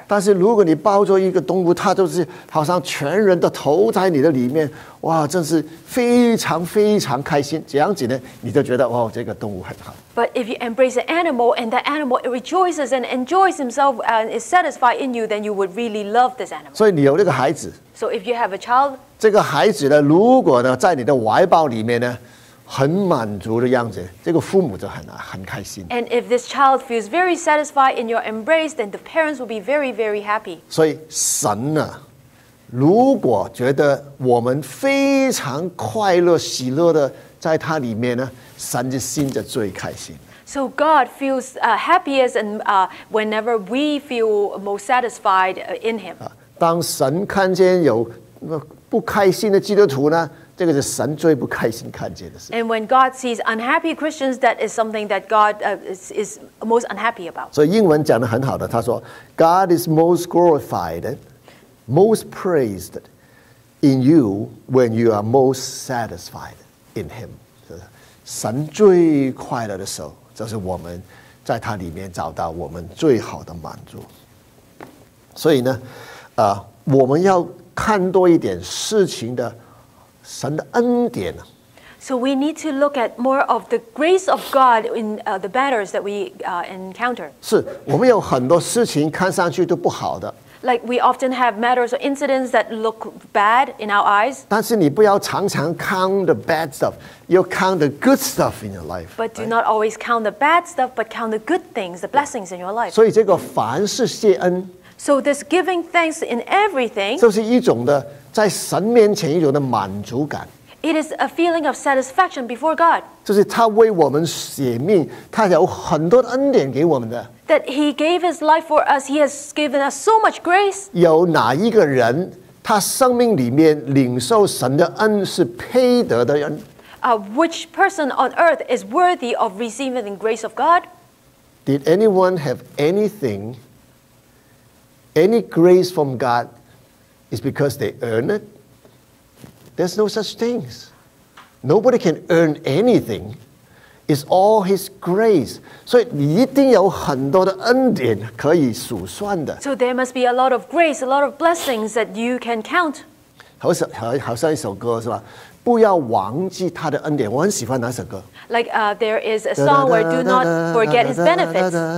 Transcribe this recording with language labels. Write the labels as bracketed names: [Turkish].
[Chinese] 但是如果你抱着一个动物，它就是好像全人的投在你的里面，哇，真是非常非常开心。这样子呢，你就觉得哇，这个动物很好。 [English] But if you embrace an animal and that animal rejoices and enjoys himself and is satisfied in you, then you would really love this animal. [Chinese] 所以你有这个孩子。 [English] So if you have a child. [Chinese] 这个孩子呢，如果呢在你的怀抱里面呢。很满足的样子，这个父母就 很开心。 [English] And if this child feels very satisfied in your embrace, then the parents will be very, very happy. [Chinese] 所以神呢，如果觉得我们非常快乐、喜乐的在他里面呢，神的心就最开心。 [English] So God feels happiest and whenever we feel most satisfied in Him. [Chinese] 当神看见有不开心的基督徒呢？这个是神最不开心看见的事。 [English] And when God sees unhappy Christians, that is something that God is most unhappy about. [Chinese] 所以英文讲得很好的，他说 [English] ，God is most glorified, most praised in you when you are most satisfied in Him. [Chinese] 神最快乐的时候，就是我们在他里面找到我们最好的满足。所以呢，我们要看多一点事情的。神的恩典啊。 [English] So we need to look at more of the grace of God in the matters that we encounter. [Chinese] 是，我们有很多事情看上去都不好的。 [English] Like we often have matters or incidents that look bad in our eyes. [Chinese] 但是你不要常常 [English] count the bad stuff, you count the good stuff in your life. But do not always count the bad stuff, but count the good things, the blessings in your life. [Chinese] 所以这个凡事谢恩。 [English] So this giving thanks in everything. [Chinese] 就是一种的。在神面前一种的满足感 [English] It is a feeling of satisfaction before God [Chinese] 就是他为我们舍命他有很多恩典给我们的 [English] That he gave his life for us He has given us so much grace [Chinese] 有哪一个人他生命里面领受神的恩是配得的人 [English] Which person on earth is worthy of receiving the grace of God? Did anyone have anything Any grace from GodIt's because they earn it. There's no such things. Nobody can earn anything. It's all His grace. [Chinese] 所以你一定有很多的恩典可以数算的。 [English] So there must be a lot of grace, a lot of blessings that you can count. [Chinese] 好像一首歌是吧？不要忘记他的恩典。我很喜欢那首歌。 [English] Like there is a song where do not forget His benefits.